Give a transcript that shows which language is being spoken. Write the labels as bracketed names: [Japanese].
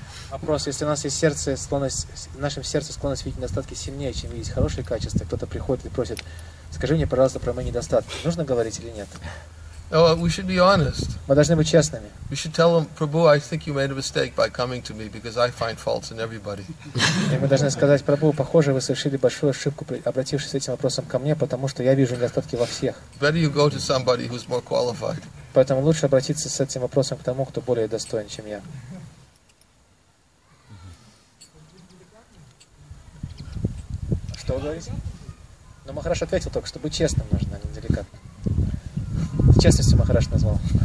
[Russian] Вопрос, если у нас есть сердце, склонность, в нашем сердце склонность видеть недостатки сильнее, чем видеть хорошие качества, кто-то приходит и просит Скажи мне, пожалуйста, про мои недостатки. Нужно говорить или нет? [English] We should be honest. [Russian] Мы должны быть честными. [English] We should tell him, Prabhu, I think you made a mistake by coming to me because I find faults in everybody. [Russian] И мы должны сказать, Прабху, похоже, вы совершили большую ошибку, обратившись с этим вопросом ко мне, потому что я вижу недостатки во всех. [English] Better you go to somebody who's more qualified. [Russian] Поэтому лучше обратиться с этим вопросом к тому, кто более достоин, чем я. Что вы говорите? Ну, Махараш ответил только, что быть честным нужно, а не деликатным. В честности Махараш назвал.